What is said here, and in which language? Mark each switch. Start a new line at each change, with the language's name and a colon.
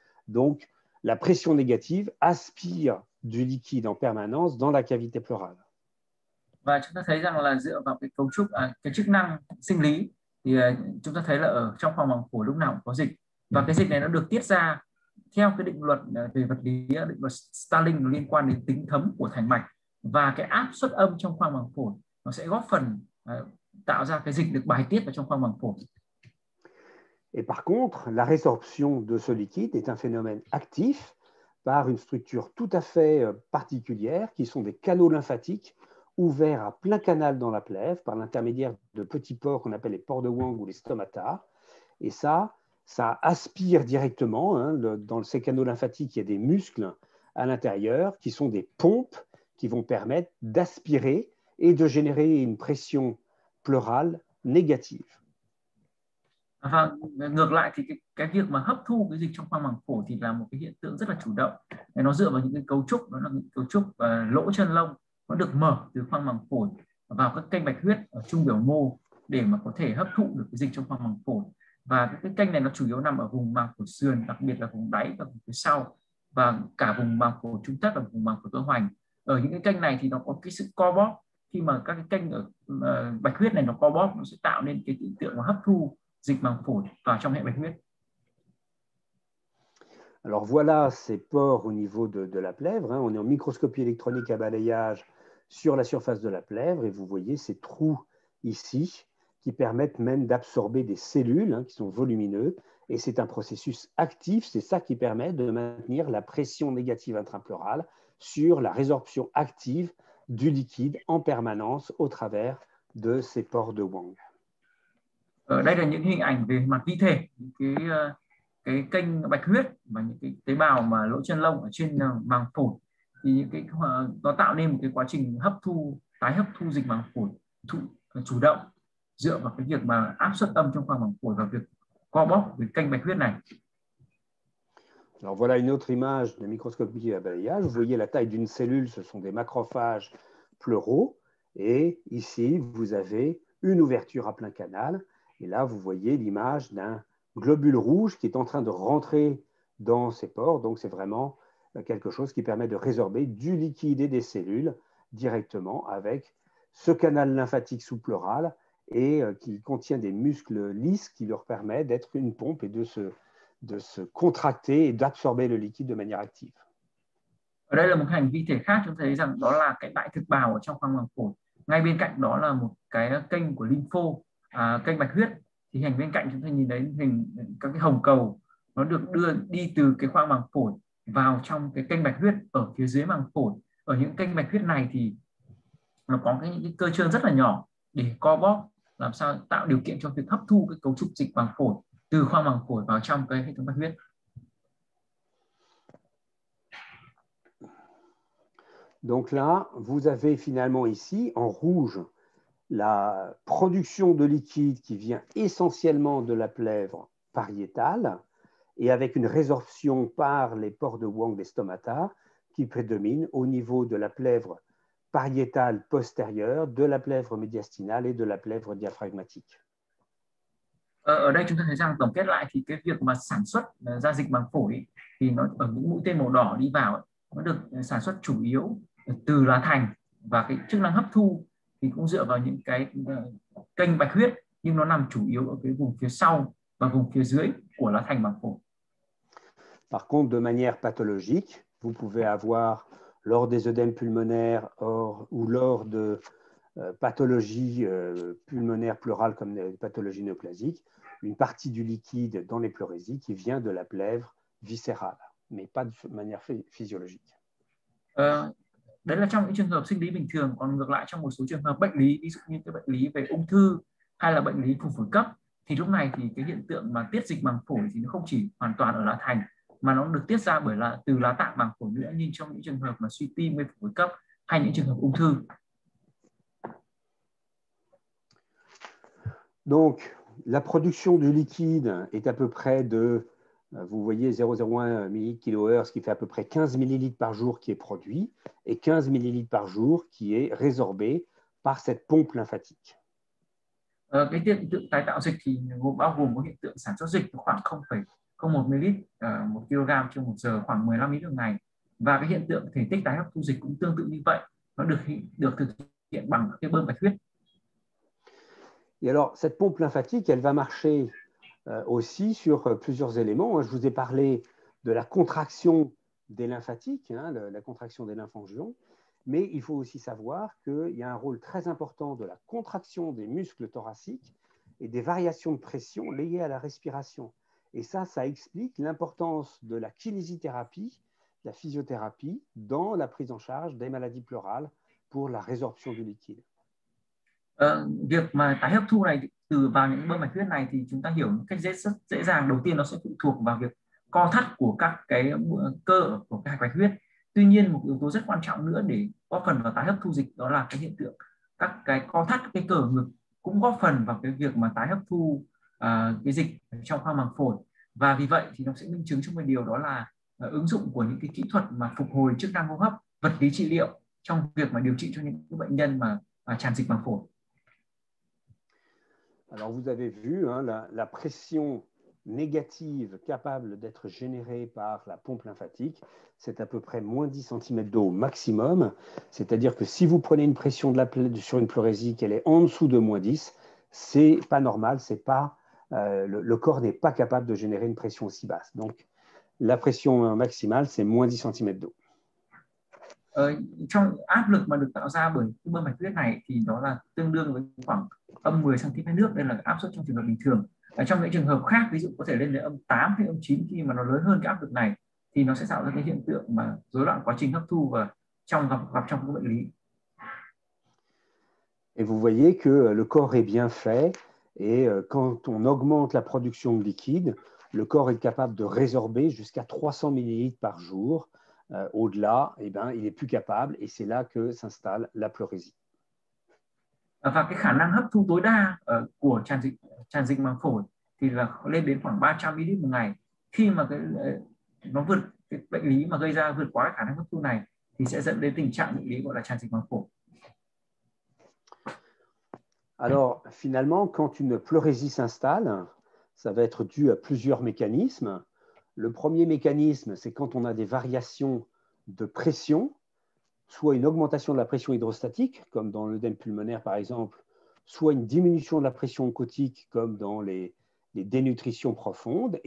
French: Donc, la pression négative aspire du liquide en permanence dans la cavité pleurale.
Vietnamese: Và chúng ta thấy rằng là dựa vào cái cấu trúc, cái chức năng sinh lý thì chúng ta thấy là ở trong khoang màng phổi lúc nào cũng có dịch, và cái dịch này nó được tiết ra theo cái định luật về vật lý, định luật Starling, nó liên quan đến tính thấm của thành mạch, và cái áp suất âm trong khoang màng phổi nó sẽ góp phần tạo ra cái dịch được bài tiết vào trong khoang màng phổi.
French: Et par contre, la résorption de ce liquide est un phénomène actif par une structure tout à fait particulière, qui sont des canaux lymphatiques ouverts à plein canal dans la plèvre par l'intermédiaire de petits pores qu'on appelle les pores de Wang ou les stomata. Et ça aspire directement, hein, dans ces canaux lymphatiques, il y a des muscles à l'intérieur qui sont des pompes qui vont permettre d'aspirer et de générer une pression pleurale négative.
Vietnamese: Và ngược lại thì cái việc mà hấp thu cái dịch trong khoang màng phổi thì là một cái hiện tượng rất là chủ động. Nó dựa vào những cái cấu trúc, đó là những cấu trúc lỗ chân lông nó được mở từ khoang màng phổi vào các kênh bạch huyết ở trung biểu mô để mà có thể hấp thụ được cái dịch trong khoang màng phổi. Và cái kênh này nó chủ yếu nằm ở vùng màng phổi sườn, đặc biệt là vùng đáy và vùng phía sau, và cả vùng màng phổi trung thất và vùng màng phổi tơ hoành. Ở những cái kênh này thì nó có cái sự co bóp, khi mà các cái kênh ở bạch huyết này nó co bóp nó sẽ tạo nên cái hiện tượng mà hấp thu dịch màng phổi vào trong hệ bạch huyết.
French: Alors voilà ces pores au niveau de la plèvre. Hein. On est en microscopie électronique à balayage sur la surface de la plèvre et vous voyez ces trous ici qui permettent même d'absorber des cellules hein, qui sont volumineux. Et c'est un processus actif, c'est ça qui permet de maintenir la pression négative intrapleurale sur la résorption active du liquide en permanence au travers de ces pores de Wang.
Vietnamese: Ở đây là những hình ảnh về mặt vi thể, những cái kênh bạch huyết và những cái tế bào mà lỗ chân lông ở trên màng phổi, thì những cái nó tạo nên một cái quá trình hấp thu, tái hấp thu dịch màng phổi chủ động. dựa vào cái việc mà áp suất âm trong khoang màng phổi và việc co bóp của cái kênh bạch huyết này.
French: Alors voilà une autre image de microscopie à balayage. Vous voyez la taille d'une cellule, ce sont des macrophages pleuraux. Et ici, vous avez une ouverture à plein canal. Et là, vous voyez l'image d'un globule rouge qui est en train de rentrer dans ses pores. Donc, c'est vraiment quelque chose qui permet de résorber du liquide et des cellules directement avec ce canal lymphatique sous-pleural et qui contient des muscles lisses qui leur permet d'être une pompe et de se contracter et d'absorber le liquide de manière active.
Vietnamese: Ở đây là một hành vi thể khác, chúng ta thấy rằng đó là cái đại thực bào ở trong khoang màng phổi. Ngay bên cạnh đó là một cái kênh của lympho, kênh bạch huyết. Thì hành bên cạnh chúng ta nhìn thấy hình các cái hồng cầu nó được đưa đi từ cái khoang màng phổi vào trong cái kênh bạch huyết ở phía dưới màng phổi. Ở những kênh bạch huyết này thì nó có những cái cơ trơn rất là nhỏ để co bóp, làm sao tạo điều kiện cho việc hấp thu cái cấu trúc dịch màng phổi từ khoang màng phổi vào trong cái hệ thống bạch huyết.
French: Donc là, vous avez finalement ici, en rouge, la production de liquide qui vient essentiellement de la plèvre pariétale et avec une résorption par les pores de Wang des stomata qui prédomine au niveau de la plèvre pariétale postérieure, de la plèvre médiastinale et de la plèvre diaphragmatique.
Vietnamese: Ở đây chúng ta thấy rằng tổng kết lại thì cái việc mà sản xuất ra dịch màng phổi ấy, thì nó ở những mũi tên màu đỏ đi vào ấy, nó được sản xuất chủ yếu từ lá thành và cái chức năng hấp thu thì cũng dựa vào những cái kênh bạch huyết nhưng nó nằm chủ yếu ở cái vùng phía sau và vùng phía dưới của lá thành màng phổi.
French: Par contre, de manière pathologique, vous pouvez avoir, lors des œdèmes pulmonaires ou lors de pathologies pulmonaires pleurales comme des pathologies néoplasiques, une partie du liquide dans les pleurésies qui vient de la plèvre viscérale, mais pas de manière physiologique.
Vietnamese: Đấy là trong những trường hợp sinh lý bình thường, còn ngược lại trong một số trường hợp bệnh lý, ví dụ như cái bệnh lý về ung thư hay là bệnh lý phù phổi cấp, thì lúc này thì cái hiện tượng mà tiết dịch màng phổi thì nó không chỉ hoàn toàn ở lá thành mà nó được tiết ra bởi là từ lá tạng màng phổi nữa, như trong những trường hợp mà suy tim với phổi cấp hay những trường hợp ung thư.
French: Donc, la production du liquide est à peu près de, vous voyez, 0,01 mL/kg, ce qui fait à peu près 15 millilitres par jour qui est produit et 15 millilitres par jour qui est résorbé par cette pompe lymphatique.
Vietnamese: Cái hiện tượng tái tạo dịch thì bao gồm có hiện tượng sản xuất dịch khoảng 0,01 ml 1 kg trong 1 giờ, khoảng 15 lít một ngày, và cái hiện tượng thể tích tái hấp thu dịch cũng tương tự như vậy, nó được thực hiện bằng cái bơm bạch huyết.
French: Et alors, cette pompe lymphatique, elle va marcher aussi sur plusieurs éléments. Je vous ai parlé de la contraction des lymphatiques, hein, la contraction des lymphangions, mais il faut aussi savoir qu'il y a un rôle très important de la contraction des muscles thoraciques et des variations de pression liées à la respiration. Et ça explique l'importance de la kinésithérapie, de la physiothérapie dans la prise en charge des maladies pleurales pour la résorption du liquide.
Vietnamese: Việc mà tái hấp thu này từ vào những bơm mạch huyết này thì chúng ta hiểu một cách dễ dàng. Đầu tiên nó sẽ phụ thuộc vào việc co thắt của các cái cơ của các bạch huyết. Tuy nhiên một yếu tố rất quan trọng nữa để góp phần vào tái hấp thu dịch đó là cái hiện tượng các cái co thắt cái cơ ở ngực cũng góp phần vào cái việc mà tái hấp thu cái dịch trong khoang màng phổi. Và vì vậy thì nó sẽ minh chứng cho một điều đó là ứng dụng của những cái kỹ thuật mà phục hồi chức năng hô hấp, vật lý trị liệu trong việc mà điều trị cho những cái bệnh nhân mà tràn dịch màng phổi.
French: Alors vous avez vu hein, la pression négative capable d'être générée par la pompe lymphatique, c'est à peu près moins 10 cm d'eau maximum. C'est-à-dire que si vous prenez une pression sur une pleurésie qu'elle est en dessous de moins 10, c'est pas normal, c'est pas le corps n'est pas capable de générer une pression aussi basse. Donc la pression maximale, c'est moins 10 cm d'eau.
Vietnamese: Trong áp lực mà được tạo ra bởi cái bơm mạch huyết này thì đó là tương đương với khoảng âm 10 cm nước, đây là áp suất trong trường hợp bình thường. Trong những trường hợp khác, ví dụ có thể lên đến âm 8 hay âm 9 khi mà nó lớn hơn cái áp lực này thì nó sẽ tạo ra cái hiện tượng mà rối loạn quá trình hấp thu và trong gặp gặp trong các bệnh lý.
French: Et vous voyez que le corps est bien fait et quand on augmente la production de liquide, le corps est capable de résorber jusqu'à 300 millilitres par jour. Au-delà, eh ben, il n'est plus capable et c'est là que s'installe la pleurésie.
Vietnamese: và cái khả năng hấp thu tối đa của tràn dịch màng phổi thì là lên đến khoảng 300 ml một ngày. Khi mà nó vượt cái bệnh lý mà gây ra vượt quá khả năng hấp thu này thì sẽ dẫn đến tình trạng bệnh lý gọi là tràn dịch màng phổi.
French: Alors, finalement, quand une pleurésie s'installe, ça va être dû à plusieurs mécanismes. Le premier mécanisme, c'est quand on a des variations de pression, soit une augmentation de la pression hydrostatique, comme dans l'œdème pulmonaire par exemple, soit une diminution de la pression oncotique, comme dans les dénutritions profondes.